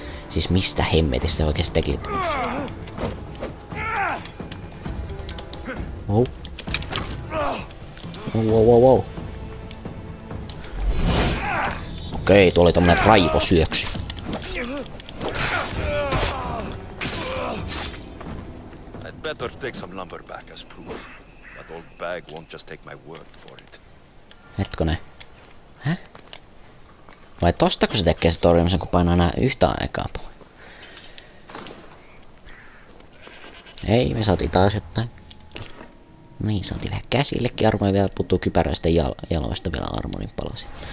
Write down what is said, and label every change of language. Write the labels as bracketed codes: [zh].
[fi] Siis mistä hemmetistä oikeesti teki? Oh. Wow. Okei, tuo oli tämmönen raivosyöksy. [en] I'd better take some lumber back as proof. That old bag won't just take my word for it. [fi] Hetkone. Hä? Vai tosta kun se tekee se torjumisen, kun painaa nää yhtä aikaa pois? Ei, me saatiin taas jotain. Niin, saatiin vähän käsillekin armoja, vielä puuttuu kypäräistä jaloista vielä armonin palasi.